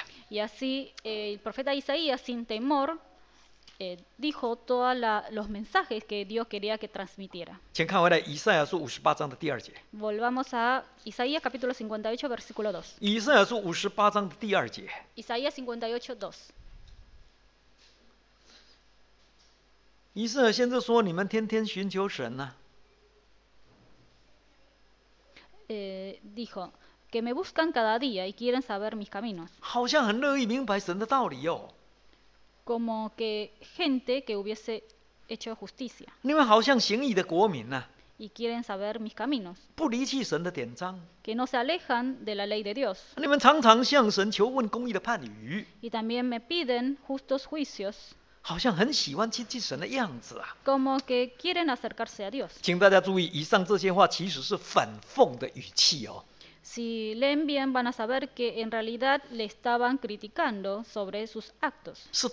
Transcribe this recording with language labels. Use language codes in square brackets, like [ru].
[es] Y así el profeta Isaías, sin temor, dijo todos los mensajes que Dios quería que transmitiera. [zh] 请看回来以赛亚书58章的第二节。 [es] Volvamos a Isaías capítulo 58, versículo 2. [zh] 以赛亚书58章的第二节。 [es] Isaías 58, 2. [zh] 以赛亚先知说，你们天天寻求神呢。 [es] Dijo, que me buscan cada día y quieren saber mis caminos. [zh] 好像很乐意明白神的道理哦。 [es] Como que gente que hubiese hecho justicia. [zh] 你们好像行义的国民啊, [es] y quieren saber mis caminos. [zh] 不离弃神的典章, [es] que no se alejan de la ley de Dios. [zh] 你们常常向神求问公义的判语, [es] y también me piden justos juicios. [zh] 好像很喜欢亲近神的样子啊, [es] como que quieren acercarse a Dios. [zh] 请大家注意，以上这些话其实是反讽的语气哦。 [es] Si leen bien, van a saber que en realidad le estaban criticando sobre sus actos.